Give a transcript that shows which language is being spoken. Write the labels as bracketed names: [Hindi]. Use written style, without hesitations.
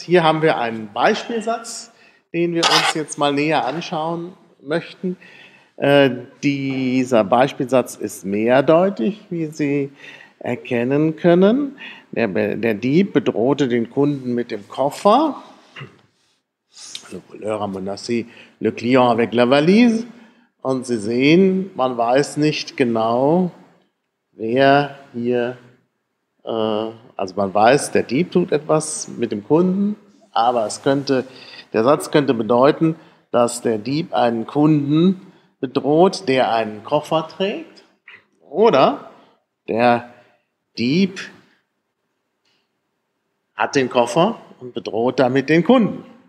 [German] Hier haben wir einen Beispielsatz, den wir uns jetzt mal näher anschauen möchten. Dieser Beispielsatz ist mehrdeutig, wie Sie erkennen können. Der Dieb bedrohte den Kunden mit dem Koffer. [French] Le voleur a menacé le client avec la valise. [German] Und Sie sehen, man weiß nicht genau, wer hier, also man weiß, der Dieb tut etwas mit dem Kunden, aber es könnte, der Satz könnte bedeuten, dass der Dieb einen Kunden bedroht, der einen Koffer trägt, oder der Dieb hat den Koffer und bedroht damit den Kunden.